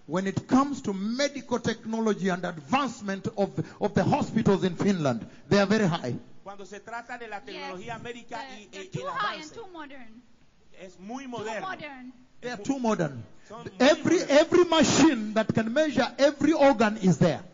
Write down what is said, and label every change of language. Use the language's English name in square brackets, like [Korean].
[English] When it comes to medical technology and advancement of the hospitals in Finland, they are very high. [Spanish] Cuando se trata de la tecnología médica y el avance. [English] Too high and too modern. [Spanish] Es muy moderno. [English] They are too modern. Every machine that can measure every organ is there.